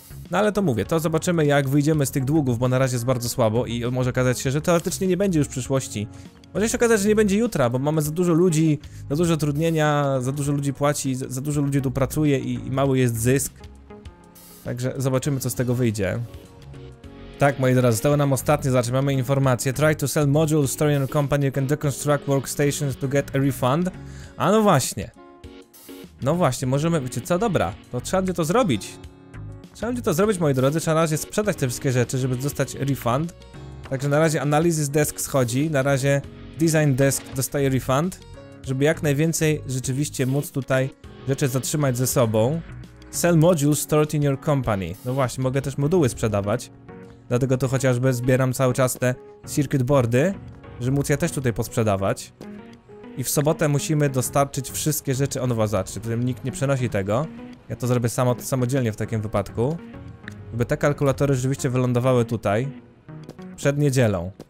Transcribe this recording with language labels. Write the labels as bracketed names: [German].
[Polish] No ale to mówię, to zobaczymy, jak wyjdziemy z tych długów, bo na razie jest bardzo słabo i może okazać się, że teoretycznie nie będzie już w przyszłości. Może się okazać, że nie będzie jutra, bo mamy za dużo ludzi, za dużo trudnienia, za dużo ludzi płaci, za dużo ludzi tu pracuje i mały jest zysk. Także zobaczymy, co z tego wyjdzie. Tak, moi drodzy, zostało nam ostatnie, znaczy mamy informację. [English] Try to sell module story and company you can deconstruct workstations to get a refund. [Polish] A no właśnie. No właśnie, możemy, wiecie co, dobra, to trzeba będzie to zrobić. Trzeba będzie to zrobić, moi drodzy, trzeba na razie sprzedać te wszystkie rzeczy, żeby dostać refund. Także na razie analysis desk schodzi, na razie design desk dostaje refund, żeby jak najwięcej rzeczywiście móc tutaj rzeczy zatrzymać ze sobą. [English] Sell modules stored in your company. [Polish] No właśnie, mogę też moduły sprzedawać. Dlatego tu chociażby zbieram cały czas te circuit boardy, żeby móc je też tutaj posprzedawać. I w sobotę musimy dostarczyć wszystkie rzeczy on was zatrzymać, którym nikt nie przenosi tego. Ja to zrobię samodzielnie w takim wypadku. Żeby te kalkulatory rzeczywiście wylądowały tutaj. Przed niedzielą.